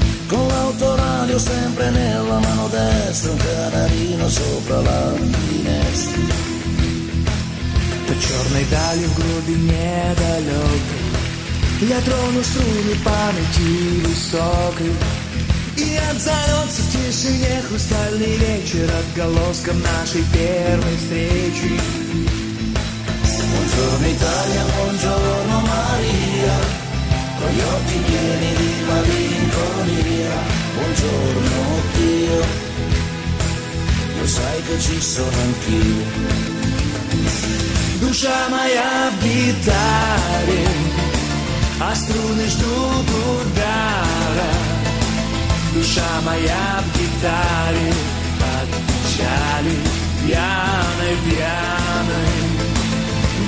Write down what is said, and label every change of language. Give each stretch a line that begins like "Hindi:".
Italian: Con l'autoradio sempre nella mano destra, un canarino sopra la finestra. Buongiorno Italia, un grudinier dagli occhi, gli adroni strumi, pane, giri, socchi.
Russian: И отзовется в тишине хрустальный вечер отголоском нашей первой встречи.
Italian: Buongiorno Italia, buongiorno Maria, con gli occhi pieni di malinconia. Buongiorno Dio, lo sai che ci sono anch'io.
Russian: Душа моя в гитаре, а струны ждут удара. Душа моя в гитаре, под печали пьяной, пьяной.